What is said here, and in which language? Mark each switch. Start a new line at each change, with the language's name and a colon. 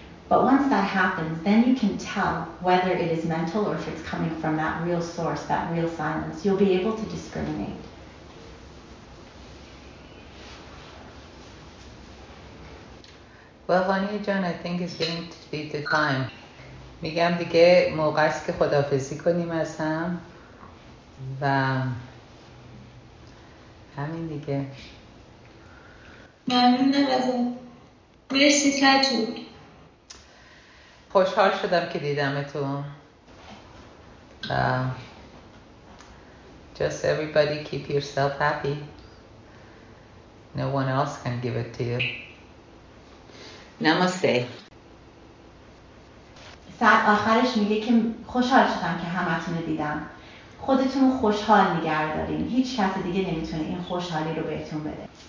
English: But once that happens, then you can tell whether it is mental or if it's coming from that real source, that real silence. You'll be able to discriminate. Well, Hania جان, I think it's getting to be the time.
Persian: میگم دیگه موقع است که خدافظی کنیم از هم و همین دیگه. ممنونم ازت. مرسی ساجو. خوشحال شدم که دیدمتون.
English: Just everybody keep yourself happy. No one else can give it to you.
Hindi: نماسته.
Persian: ساعت آخرش میگه که خوشحال شدم که همتون رو دیدم. خودتون خوشحال نگه دارین. هیچ کس دیگه نمیتونه این خوشحالی رو بهتون بده.